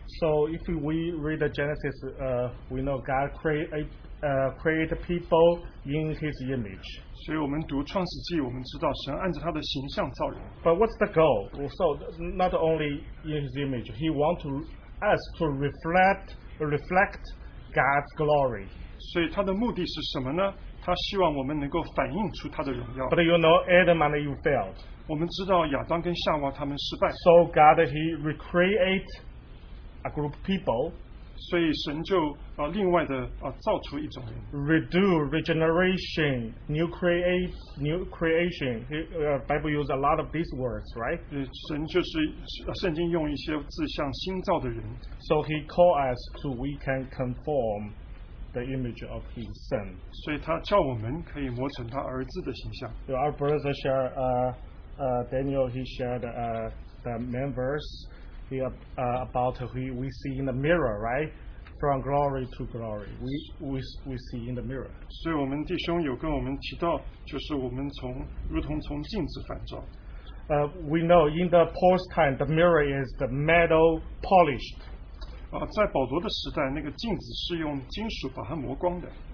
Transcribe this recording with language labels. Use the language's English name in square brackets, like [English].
[English] So if we read the Genesis we know God create people in his image. [Chinese] 所以我们读创世纪我们知道神按着他的形象造人。 [English] But what's the goal? So not only in his image he want to us to reflect God's glory. [Chinese] 所以他的目的是什么呢?他希望我们能够反映出他的荣耀。 [English] But you know Adam and Eve failed. [Chinese] 我们知道亚当跟夏娃他们失败。So [English] God he recreate a group of people. [Chinese] 所以神就另外的造出一种人。 [English] Redo, regeneration, new creation. Bible uses a lot of these words, right? [Chinese] 神就是圣经用一些字像新造的人。 [English] So he called us to we can conform the image of his son. [Chinese] 所以他叫我们可以磨成他儿子的形象。 [English] Our brother shared, Daniel, he shared the main verse here, about who we see in the mirror, right? From glory to glory, we see in the mirror. [Chinese] 所以我们弟兄有跟我们提到，就是我们从如同从镜子反照。 [English] We know in the Paul's time, the mirror is the metal polished. [Chinese] 在保罗的时代，那个镜子是用金属把它磨光的。